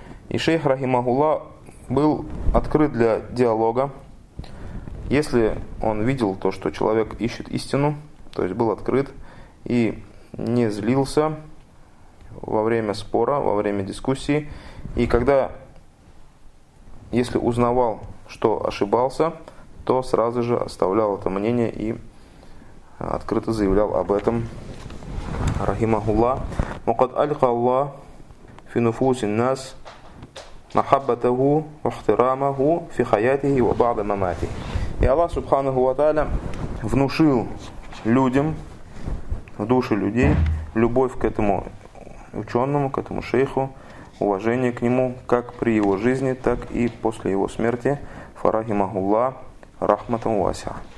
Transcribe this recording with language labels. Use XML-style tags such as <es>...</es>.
<ru>И шейх рахимахулла был открыт для диалога, если он видел то, что человек ищет истину, то есть был открыт и не злился во время спора, во время дискуссии, и когда, если узнавал, что ошибался, то сразу же оставлял это мнение и открыто заявлял об этом рахимахулла.</ru> <ar>وقد ألقى الله في نفوس الناس محبته واحترامه في حياته وبعد مماته.</ar> <ru>И Аллах субханаху ва тааля внушил людям, в души людей, любовь к этому ученому, к этому шейху, уважение к нему как при его жизни, так и после его смерти.</ru> <ar>فرحمه الله رحمة واسعة.</ar>